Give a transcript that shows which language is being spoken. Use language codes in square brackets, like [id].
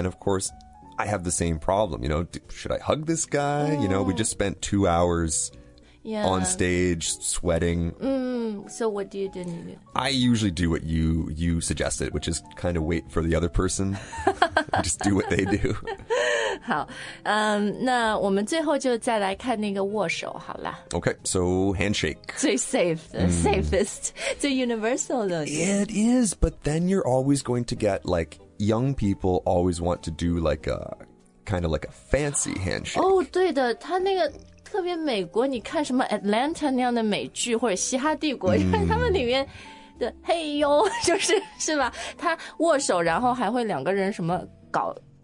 [en] and of course I have the same problem you know should I hug this guy、you know we just spent 2 hours、on stage sweating、 so what do you do, do, you do I usually do what you suggested which is kind of wait for the other person Just do what they do. [zh] 好，那我们最后就再来看那个握手，好了。 [en] Okay, so handshake. 最 safe, the safest, 最 universal 的。 It is, but then you're always going to get, like, young people always want to do, like, a kind of like a fancy handshake. [zh] 对的，他那个特别美国，你看什么 Atlanta 那样的美剧，或者嘻哈帝国，他们里面的嘿呦，就是吧？他握手，然后还会两个人什么搞